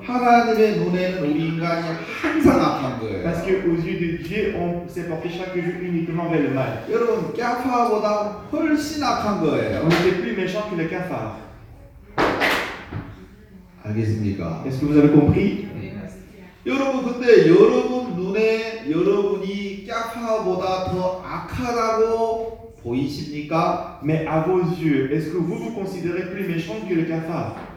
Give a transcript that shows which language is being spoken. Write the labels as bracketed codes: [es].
[ko] 하나님의 눈에는 우리 인간이 항상 악한 거예요. [fr] Parce que aux yeux de Dieu, on s'est porté chaque jour uniquement vers le mal. [ko] 여러분, 캐파보다 훨씬 악한 거예요. [fr] On est plus méchant que le cafard. [ko] 알겠습니까? [fr] Est-ce que vous avez compris? [ko] 여러분, 근데 여러분 눈에 여러분이 캐파보다 더 악하다고 보이십니까? [fr] Mais à vos yeux, est-ce que vous vous considérez plus méchant que le cafard?